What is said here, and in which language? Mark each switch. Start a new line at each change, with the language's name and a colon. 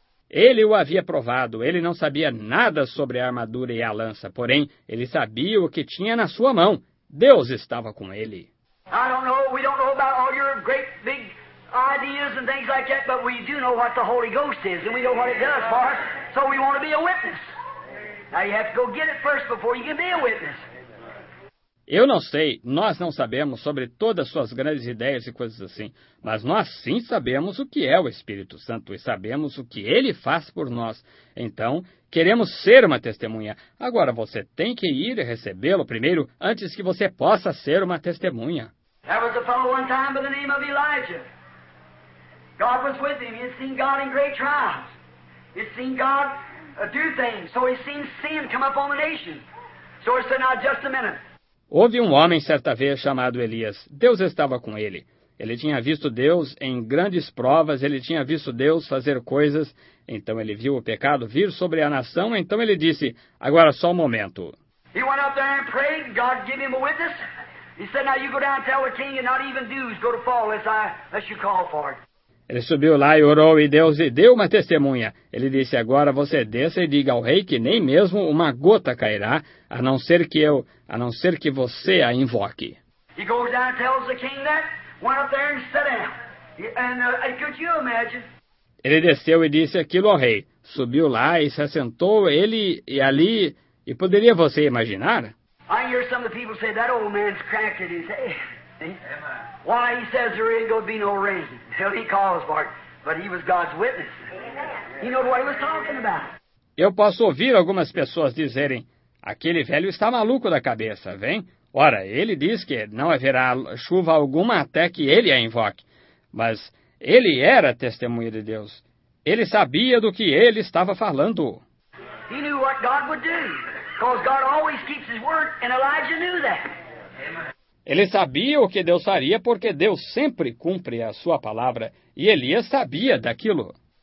Portuguese: Ele o havia provado. Ele não sabia nada sobre a armadura e a lança. Porém, ele sabia o que tinha na sua mão. Deus estava com ele.
English: I don't know. We don't know about all your great big ideas and things like that, but we do know what the Holy Ghost is, and we know what it does for us. So we want to be a witness. Now you have to go get it first before you can be a witness.
Portuguese: Eu não sei, nós não sabemos sobre todas as suas grandes ideias e coisas assim, mas nós sim sabemos o que é o Espírito Santo e sabemos o que ele faz por nós. Então, queremos ser uma testemunha. Agora você tem que ir e recebê-lo primeiro antes que você possa ser uma testemunha.
English: There was a fellow one time by the name of Elijah. God was with him. He had seen God in great trials. He had seen God do things, so he seen sin come up on the nation. So he said, now just a minute.
Portuguese: Houve um homem certa vez chamado Elias. Deus estava com ele. Ele tinha visto Deus em grandes provas, ele tinha visto Deus fazer coisas. Então ele viu o pecado vir sobre a nação, então ele disse, agora só um momento.
English: He went up there and prayed, God gave him a witness. He said, now you go down and tell the king and not even dews go to fall unless you call for it.
Portuguese: Ele subiu lá e orou e Deus lhe deu uma testemunha. Ele disse, agora você desça e diga ao rei que nem mesmo uma gota cairá, a não ser que você a invoque.
English: He goes down and tells the king that, went up there and sat down. And could you imagine?
Portuguese: Ele desceu e disse aquilo ao rei. subiu lá e se assentou ele e ali, e poderia você imaginar?
English: I hear some of the people say that old man's cracked his head. Why, he says there ain't gonna be no rain. Well, he calls for it, but he was God's witness. He knows what he was talking about.
Portuguese: Eu posso ouvir algumas pessoas dizerem, aquele velho está maluco da cabeça, vem? Ora, ele diz que não haverá chuva alguma até que ele a invoque. Mas ele era testemunha de Deus. Ele sabia do que ele estava falando.
English: He knew what God would do, because God always keeps his word, and Elijah knew that.
Portuguese: Ele sabia o que Deus faria, porque Deus sempre cumpre a sua palavra, e Elias sabia daquilo.